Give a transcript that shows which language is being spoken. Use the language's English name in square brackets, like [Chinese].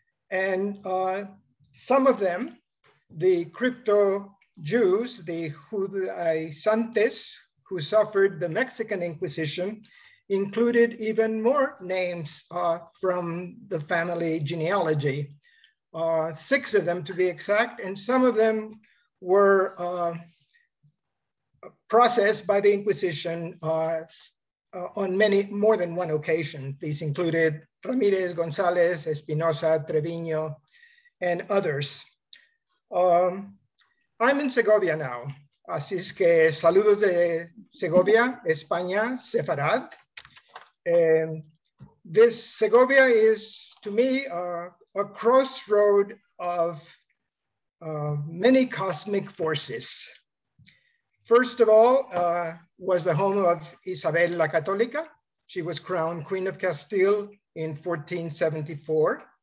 [English] And some of them, the crypto Jews, the Judaizantes, who suffered the Mexican Inquisition, included even more names from the family genealogy, six of them to be exact, and some of them were processed by the Inquisition on many, more than one occasion. These included Ramirez, Gonzalez, Espinosa, Treviño, and others. I'm in Segovia now. [Spanish] Así es que saludos de Segovia, España, Sefarad. [English] This Segovia is, to me, a crossroad of many cosmic forces. First of all, was the home of Isabel la Católica. She was crowned Queen of Castile in 1474.